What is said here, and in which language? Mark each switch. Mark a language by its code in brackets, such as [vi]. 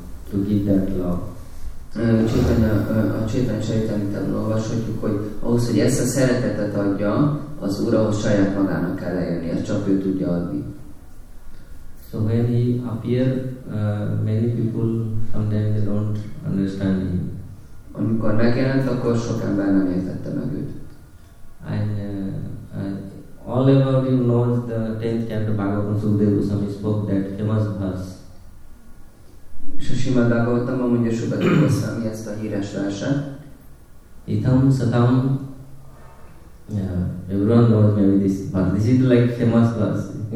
[hu] Csaitanya, a Csaitanya Csaitanyában olvashatjuk, hogy ahhoz, hogy ezt a szeretetet adja, az Úr ahhoz saját magának kell eljönni, ezt csak ő tudja adni. [en] So when he appear, many people sometimes they don't understand him. [hu] Amikor megjelent, akkor sok ember nem értette meg őt. [en] And all about you know the 10th chapter Bhagavatam Sukadeva Goswami spoke that famous verse. [hu] Srimad Bhagavatamban mondja Sukadeva Goswami ezt a híres verset. [en] Itam satam, yeah, everyone knows maybe this, but this is like famous verse.